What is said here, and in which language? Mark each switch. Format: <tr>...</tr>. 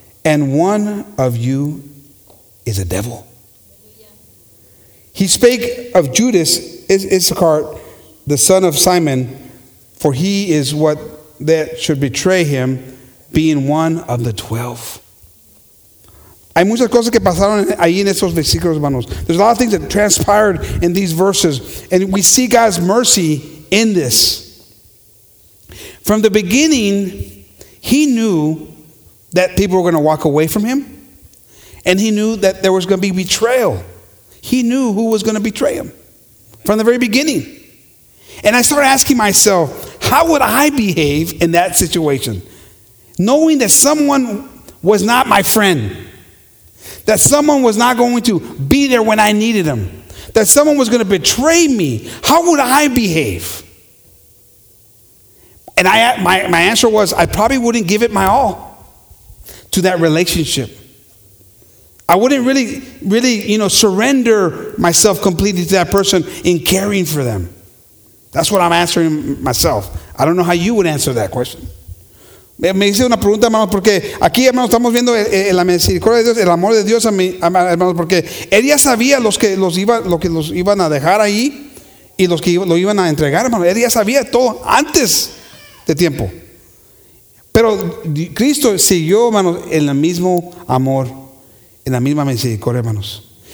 <en>And one of you is a devil. He spake of Judas Issachar, the son of Simon, for he is what that should betray him, being one of the 12.</en> <es>Hay muchas cosas que pasaron ahí en esos versículos, hermanos.</es> <en>There's a lot of things that transpired in these verses, and we see God's mercy in this. From the beginning, he knew that people were going to walk away from him, and he knew that there was going to be betrayal. He knew who was going to betray him from the very beginning. And I started asking myself, how would I behave in that situation? Knowing that someone was not my friend, that someone was not going to be there when I needed him, that someone was going to betray me, how would I behave? And my answer was, I probably wouldn't give it my all to that relationship. I wouldn't really surrender myself completely to that person in caring for them. That's what I'm answering myself. I don't know how you would answer that question.</en> <es>Me hice una pregunta, hermano, porque aquí, hermano, estamos viendo la misericordia de Dios, el amor de Dios a mí, hermano, porque él ya sabía los que los iban a dejar ahí y los que lo iban a entregar, hermano. Él ya sabía todo antes de tiempo. Pero Cristo siguió, hermanos, en el mismo amor, en la misma misericordia, hermanos.</es>